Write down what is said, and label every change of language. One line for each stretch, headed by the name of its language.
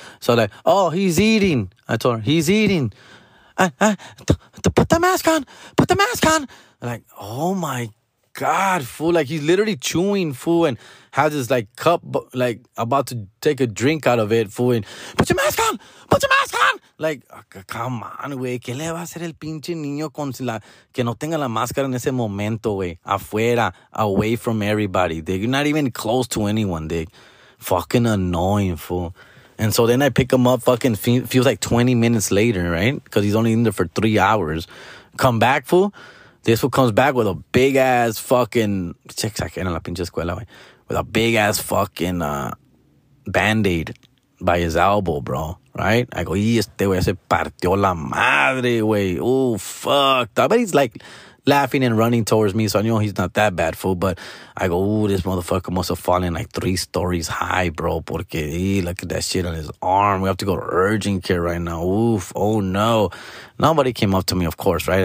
English: So like, oh, he's eating. I told her, he's eating. Put the mask on. Put the mask on. Like, oh my God, fool. Like, he's literally chewing, fool, and has his, like, cup, like, about to take a drink out of it, fool, and put your mask on! Put your mask on! Like, come on, güey.
Spanish: ¿Qué le va a hacer el pinche niño con la que no tenga la máscara en ese momento, güey? Afuera,
English: away from everybody, dig. You're not even close to anyone, dig. Fucking annoying, fool. And so then I pick him up, fucking feels like 20 minutes later, right? Because he's only in there for 3 hours. Come back, fool. This fool comes back with a big ass fucking check in
Spanish: la pinche escuela, güey.
English: With a big ass fucking band-aid by his elbow, bro. Right? I go,
Spanish: este güey se partió la madre, güey.
English: Oh, fuck. But he's like laughing and running towards me, so I know he's not that bad, fool. But I go, ooh, this motherfucker must have fallen like 3 stories high, bro. Porque, look at that shit on his arm. We have to go to urgent care right now. Oof, oh no. Nobody came up to me, of course, right?